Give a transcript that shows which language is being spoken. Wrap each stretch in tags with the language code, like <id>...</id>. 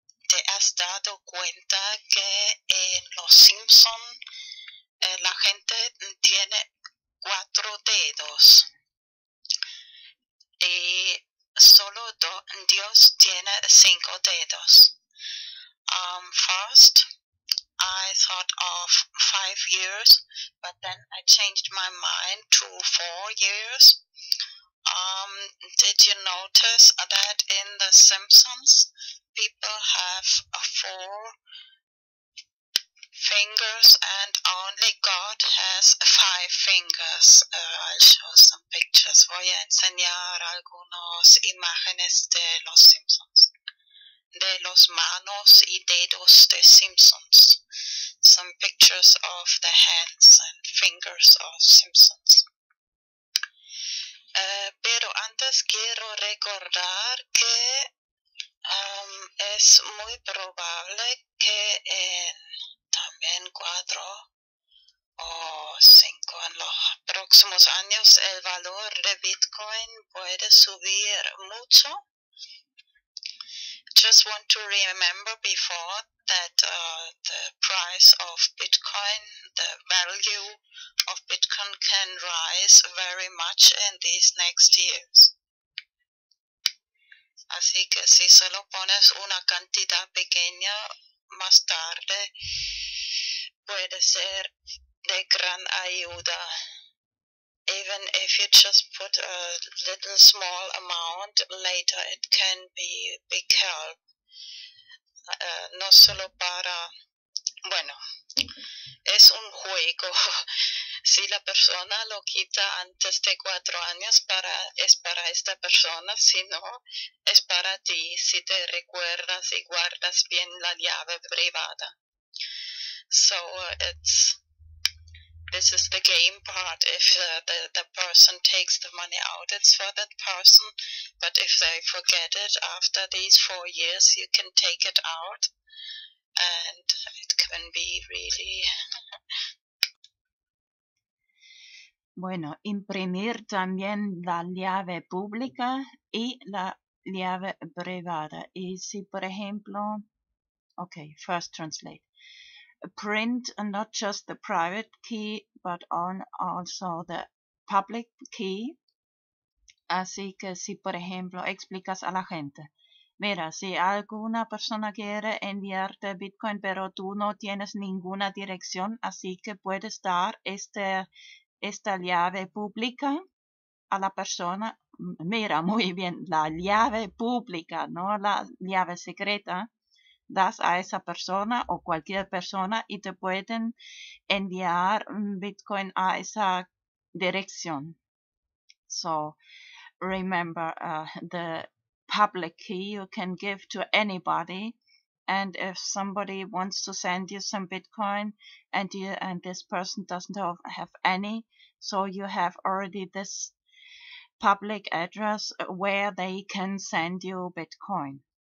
<es>te has dado cuenta que en los Simpson la gente tiene cuatro dedos y solo Dios tiene cinco dedos.</es> <en>First, I thought of 5 years, but then I changed my mind to 4 years. Did you notice that in The Simpsons, people have four fingers and only God has five fingers? I'll show some pictures.</en> <es>Voy a enseñar algunas imágenes de Los Simpsons. De los manos y dedos de Simpsons.</es> <en>Some pictures of the hands and fingers of Simpsons.</en> <es>Pero antes quiero recordar que es muy probable que en también 4 o 5 en los próximos años el valor de Bitcoin puede subir mucho.</es> <en>Just want to remember before that the price of Bitcoin, the value of Bitcoin can rise very much in these next years.</en> <es>Así que si solo pones una cantidad pequeña, más tarde puede ser de gran ayuda.</es> <en>Even if you just put a little small amount, later it can be big help.</en> <es>No solo para... Bueno, es un juego. Si la persona lo quita antes de 4 años, para, es para esta persona. Si no, es para ti, si te recuerdas y guardas bien la llave privada.</es> <en>So, it's... This is the game part. If the person takes the money out, it's for that person. But if they forget it after these 4 years, you can take it out. And it can be really...</en> <es>Bueno, imprimir también la llave pública y la llave privada. Y si, por ejemplo... Okay, first translate.</es> <en>Print not just the private key, but on also the public key.</en> <es>Así que si, por ejemplo, explicas a la gente. Mira, si alguna persona quiere enviarte Bitcoin, pero tú no tienes ninguna dirección, así que puedes dar esta llave pública a la persona. Mira, muy bien, la llave pública, no la llave secreta. Das a esa persona o cualquier persona y te pueden enviar Bitcoin a esa dirección.</es> <en>So, remember, the public key you can give to anybody. And if somebody wants to send you some Bitcoin and this person doesn't have any, so you have already this public address where they can send you Bitcoin.</en>